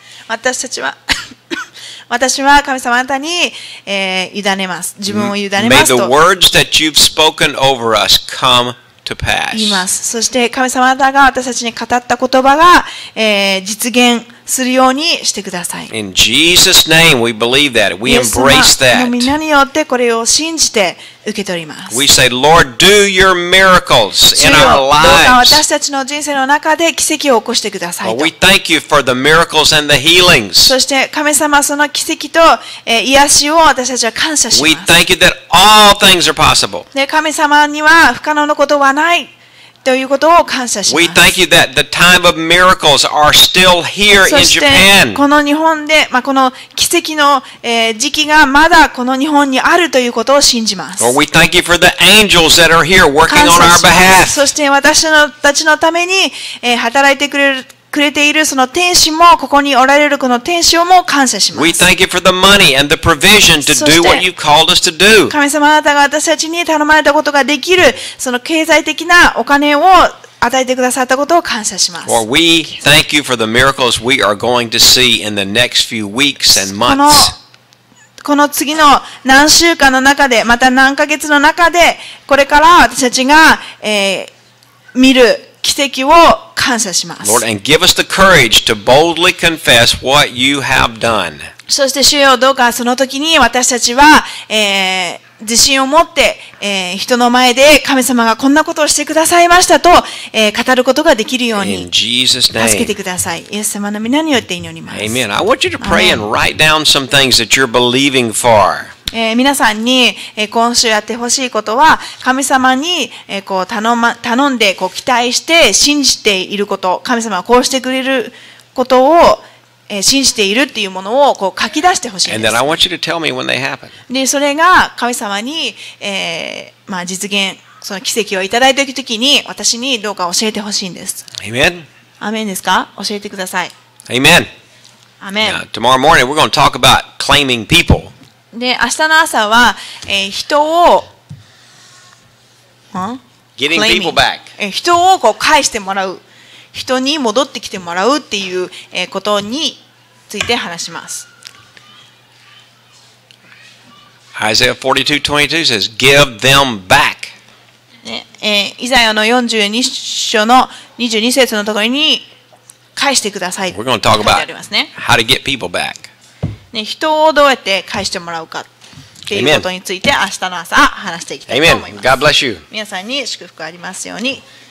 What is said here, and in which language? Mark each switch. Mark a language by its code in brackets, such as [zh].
[ja] 私たちは私は神様あなたに、委ねます。自分を委ねますと。 [en] May the words that you've spoken over us come to pass. [ja] 言います。そして神様あなたが私たちに語った言葉が、実現するようにしてください。 [en] In Jesus' name, we believe that. We embrace that. [ja] イエス様の皆によってこれを信じて受け取ります。 [en] We say, Lord, do your miracles in our lives. [ja] 主よ、どうか私たちの人生の中で奇跡を起こしてくださいと。 [en] We thank you for the miracles and the healings. [ja] そして神様その奇跡と、癒しを私たちは感謝します。 [en] We thank you that all things are possible. [ja] 神様には不可能なことはない。ということを感謝します。 [en] We thank you that the time of miracles are still here in Japan. [ja] そしてこの日本で、まあ、この奇跡の、時期がまだこの日本にあるということを信じます。 [en] Lord, we thank you for the angels that are here working on our behalf. [ja] そして私たちのために、働いてくれているその天使もここにおられるこの天使をも感謝します。 [en] We thank you for the money and the provision to do what you called us to do. [ja] 神様あなたが私たちに頼まれたことができるその経済的なお金を与えてくださったことを感謝します。 [en] Lord, we thank you for the miracles we are going to see in the next few weeks and months. [ja] この次の何週間の中でまた何ヶ月の中でこれから私たちが、見る奇跡を感謝します。 [en] Lord, and give us the courage to boldly confess what you have done. [ja] そして主よ、どうかその時に私たちは、自信を持って、人の前で神様がこんなことをしてくださいましたと、語ることができるように助けてください。イエス様の皆によって祈ります。 [en] Amen. I want you to pray and write down some things that you're believing for. [ja] 皆さんに、今週やってほしいことは神様に、こう 頼んでこう期待して信じていること、神様がこうしてくれることを、信じているっていうものをこう書き出してほしいです。 [en] And then I want you to tell me when they happen. [ja] でそれが神様に、まあ、実現その奇跡をいただいたときに私にどうか教えてほしいんです。 [en] Amen. [ja] アメンですか？教えてください。 [en] Amen. [ja] アメン。 [en] Now, tomorrow morning we're going to talk about claiming people. [ja] で明日の朝は、人を、 [en] Getting people back. [ja] 人をこう返してもらう、人に戻ってきてもらうっていう、ことについて話します。 [en] Isaiah 42:22 says, "Give them back." [ja] イザヤの42章の22節のところに返してください。 [en] We're going to talk about how to get people back. [ja] ね、人をどうやって返してもらうかということについて明日の朝話していきたいと思います。 [en] Amen. God bless you. [ja] 皆さんに祝福ありますように。